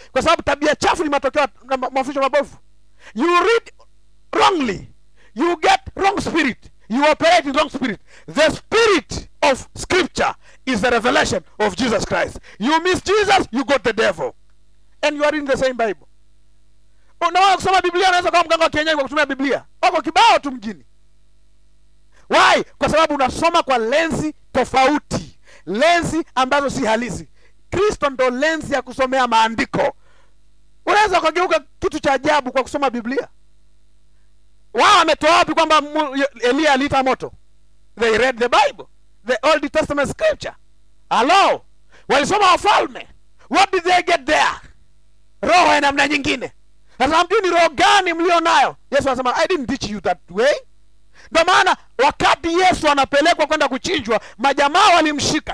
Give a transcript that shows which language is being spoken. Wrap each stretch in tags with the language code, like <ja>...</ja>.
<sw>Kwa sababu tabia chafu ni matokeo ya mafundisho mabovu.</sw> <en>You read wrongly, you get wrong spirit. You operate in wrong spirit. The spirit of scripture is the revelation of Jesus Christ. You miss Jesus, you got the devil. And you are in the same Bible.</en> <sw>Unaweza kusoma Biblia, unaweza kama mganga wa kienyeji kwa kutumia Biblia. Wako kibao tu mjini. Why? Kwa sababu unasoma kwa lensi tofauti. Lensi ambazo si halisi. Kristo ndo lensi ya kusomea maandiko. Unaweza kugeuka kitu cha ajabu kwa kusoma Biblia. Wao wametoa wapi kwamba Elia aliita moto?</sw> <en>They read the Bible, the Old Testament scripture. Hello.</en> <sw>Walisoma Wafalme.</sw> <en>What did they get there?</en> <sw>Roho ya namna nyingine. Sasa mjui ni roho gani mlio nayo? Yesu anasema,</sw> <en>I didn't teach you that way.</en> <sw>Ndio maana wakati Yesu anapelekwa kwenda kuchinjwa, majamaa walimshika.</sw>